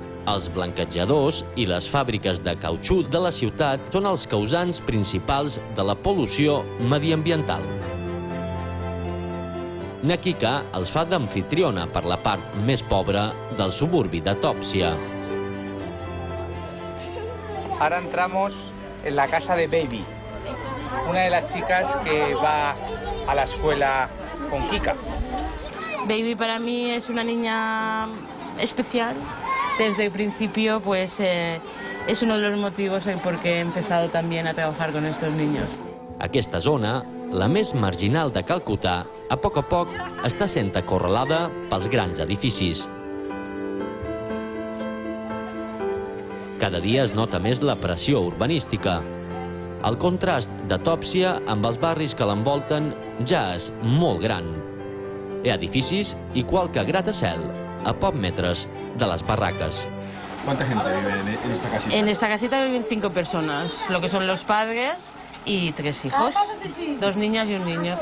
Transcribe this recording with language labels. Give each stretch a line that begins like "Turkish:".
Catalan: Els blanquejadors i les fàbriques de cautxú de la ciutat són els causants principals de la pol·lució mediambiental. Nakika els fa d'anfitriona per la part més pobra del suburbi de Topsia.
Spanish: Ara entramos en la casa de Baby, una de las chicas que va a la escuela con Kika. Baby para mí es una niña especial. Desde el principio pues es uno de los motivos en por qué he empezado también a trabajar con estos niños.
Catalan: Aquesta zona, la més marginal de Calcuta, a poc està sent acorralada pels grans edificis. Cada dia es nota més la pressió urbanística. El contrast de Topsia amb els barris que l'envolten ja és molt gran. Hi ha edificis i qualque gratacel a pocs metres de les barraques.
Spanish: ¿Cuánta gente vive en esta casita? En esta casita viven 5 personas, lo que son los padres y 3 hijos, 2 niñas y un niño.